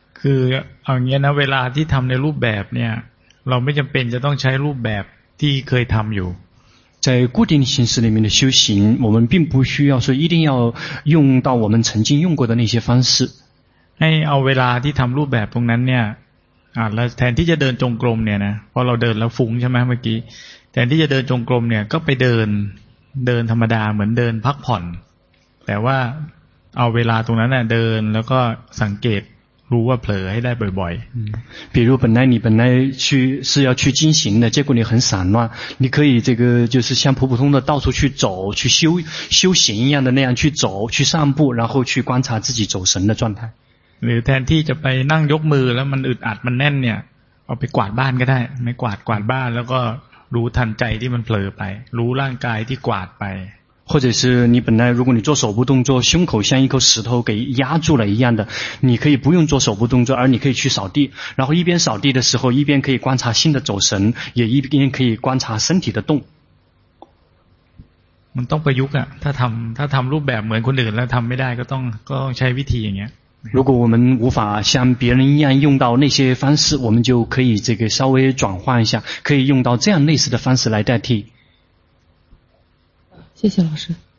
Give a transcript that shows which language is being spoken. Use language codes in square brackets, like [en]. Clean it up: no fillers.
[th] คือเอาอย่างเงี้ยนะเวลาที่ทำในรูปแบบเนี่ยเราไม่จำเป็นจะต้องใช้รูปแบบที่เคยทำอยู่ [zh] 在固定形式里面的修行我们并不需要说一定要用到我们曾经用过的那些方式 [th] ให้เอาเวลาที่ทำรูปแบบพวกนั้นเนี่ยแล้วแทนที่จะเดินจงกรมเนี่ยนะพอเราเดินแล้วฟุ้งใช่ไหมเมื่อกี้แทนที่จะเดินจงกรมเนี่ยก็ไปเดินธรรมดาเหมือนเดินพักผ่อนแต่ว่าเอาเวลาตรงนั้นเนี่ยเดินแล้วก็สังเกตรู้ว่าเผลอให้ได้บ่อย [zh] ๆ比如本来去是要去进行的结果你很散乱你可以这个就是像普普通的到处去走去修行一样的那样去走去散步然后去观察自己走神的状态 [th] หรือแทนที่จะไปนั่งยกมือแล้วมันอึดอัดมันแน่นเนี่ยเอาไปกวาดบ้านก็ได้ไม่กวาดบ้านแล้วก็รู้ทันใจที่มันเผลอไปรู้ร่างกายที่กวาดไป [zh] 或者是你本来如果你做手部动作胸口像一颗石头给压住了一样的你可以不用做手部动作而你可以去扫地然后一边扫地的时候一边可以观察心的走神也一边可以观察身体的动 [th] มันต้องประยุกต์อ่ะถ้าทำรูปแบบเหมือนคนอื่นแล้วทำไม่ได้ก็ต้องใช้วิธีอย่างเงี้ย [zh] 如果我们无法像别人一样用到那些方式我们就可以这个稍微转换一下可以用到这样类似的方式来代替谢谢老师